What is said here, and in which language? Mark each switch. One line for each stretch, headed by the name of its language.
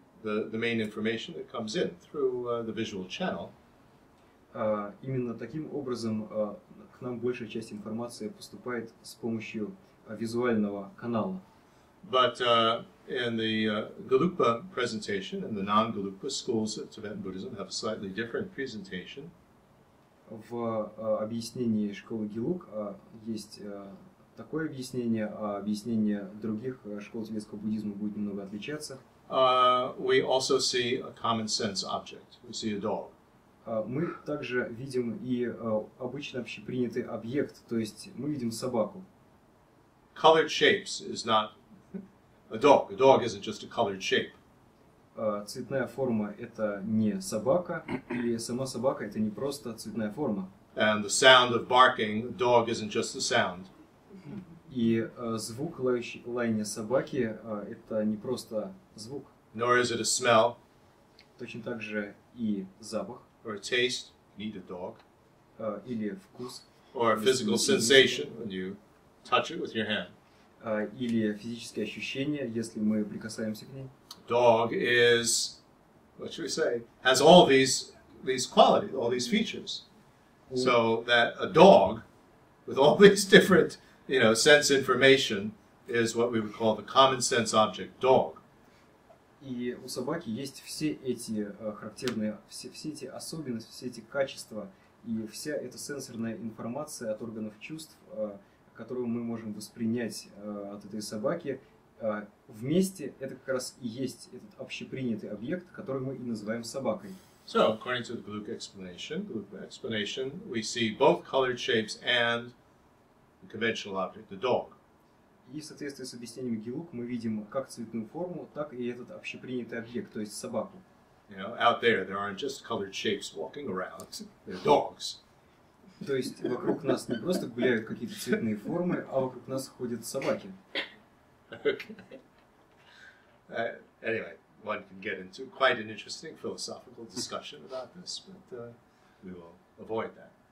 English: the main information that comes in through the visual channel.
Russian: Именно таким образом к нам большая часть информации поступает с помощью визуального канала.
English: But in the Gelugpa presentation and the non-Gelugpa schools of Tibetan Buddhism have a slightly different presentation.
Russian: В объяснении школы Гелуг есть такое объяснение, а объяснение других школ тибетского буддизма будет немного отличаться.
English: We also see a common sense object. We see a dog.
Russian: Мы также видим и обычно общепринятый объект, то есть мы видим собаку.
English: Colored shapes is not a dog. A dog isn't just a colored shape.
Russian: Цветная форма — это не собака, и сама собака — это не просто цветная форма.
English: And the sound of barking, the dog isn't just the sound.
Russian: И звук лаяния собаки — это не просто звук.
English: Nor is it a smell.
Russian: Точно так же и запах.
English: Or a taste, need a dog.
Russian: Или вкус.
English: Or a physical sensation when you touch it with your hand.
Russian: Или физические ощущения, если мы прикасаемся к ней.
English: Dog is, what should we say, has all these qualities, all these features. So that a dog with all these different, you know, sense information is what we would call the common sense object, dog.
Russian: И у собаки есть все эти характерные, все эти особенности, все эти качества, и вся эта сенсорная информация от органов чувств, которую мы можем воспринять от этой собаки, вместе это как раз и есть этот общепринятый объект, который мы и называем собакой.
English: So, according to the Gelugpa explanation, we see both colored shapes and the conventional object, the dog.
Russian: И в соответствии с объяснениями Гелуг мы видим как цветную форму, так и этот общепринятый объект, то есть собаку.
English: You know, out there aren't just colored shapes walking around, they're dogs.
Russian: То есть вокруг нас не просто гуляют какие-то цветные формы, а вокруг нас ходят собаки.
English: Okay. Anyway, one can get into quite an interesting philosophical discussion about this, but we will avoid that.